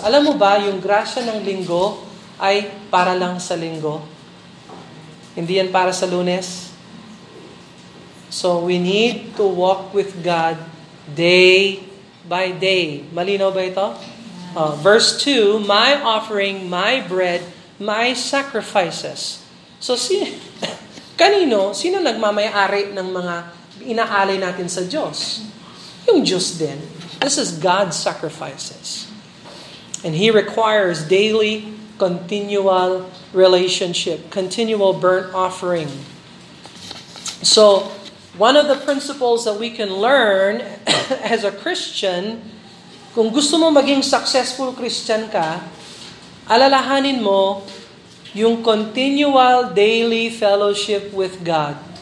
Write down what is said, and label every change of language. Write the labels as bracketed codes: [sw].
[tl] Alam mo ba, yung grasya ng Linggo ay para lang sa Linggo. Hindi yan para sa Lunes. [en] So, we need to walk with God day by day. [tl] Malinaw ba ito? [en] Verse 2, my offering, my bread, my sacrifices. [tl] So, sino nagmamayari ng mga inaalay natin sa Diyos? Yung Diyos din. [en] This is God's sacrifices. And He requires daily, continual relationship, continual burnt offering. So, one of the principles that we can learn as a Christian, [tl] kung gusto mo maging successful Christian ka, alalahanin mo yung [en] continual daily fellowship with God.